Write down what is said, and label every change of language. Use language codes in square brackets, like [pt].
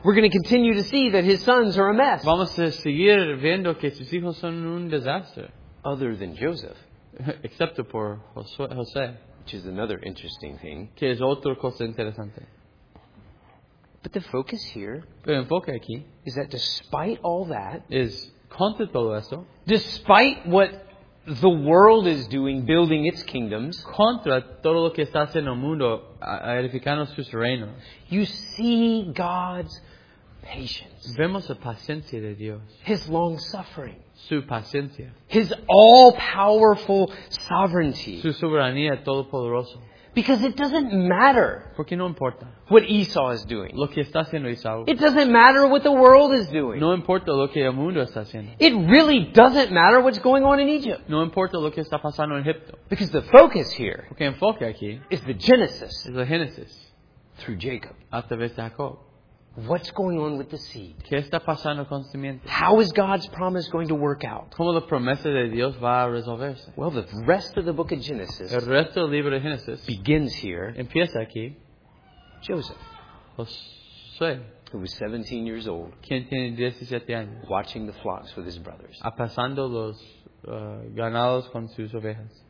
[en] We're going to continue to see that his sons are a mess. [es] Vamos a seguir viendo que sus hijos son un desastre. [en] Other than Joseph. [es] Excepto por José. [en] Which is another interesting thing. [es] Que es otra cosa interesante. [en] But the focus here. [es] Pero enfoque aquí. [en] Is that despite all that. [es] Es contra todo eso. [en] Despite what the world is doing building its kingdoms. [es] Contra todo lo que está haciendo el mundo edificando sus reinos. [en] You see God's patience. [es] Vemos la paciencia de Dios. [en] His long suffering. [es] Su paciencia. [en] His all-powerful sovereignty. [es] Su soberanía todopoderosa. [en] Because it doesn't matter. [es] Porque no importa. [en] What Esau is doing. [es] Lo que está haciendo Esau. [en] It doesn't matter what the world is doing. [es] No importa lo que el mundo está haciendo. [en] It really doesn't matter what's going on in Egypt. [es] No importa lo que está pasando en Egipto. [en] Because the focus here. [es] Porque el enfoque aquí. [en] Is the Genesis. [es] Es la Génesis. [en] Through Jacob. [es] A través de Jacob. [en] What's going on with the seed? [es] ¿Qué está pasando con la simiente? [en] How is God's promise going to work out? [es] ¿Cómo la promesa de Dios va a resolverse? [en] Well, the rest of the book of Genesis, [es] el resto del libro de Génesis [en] begins here. [es] Empieza aquí. [en] Joseph. [es] José. [en] Who was 17 years old. [es] Quien tiene 17 años. [en] Watching the flocks with his brothers. [es] Apasando los ganados con sus ovejas.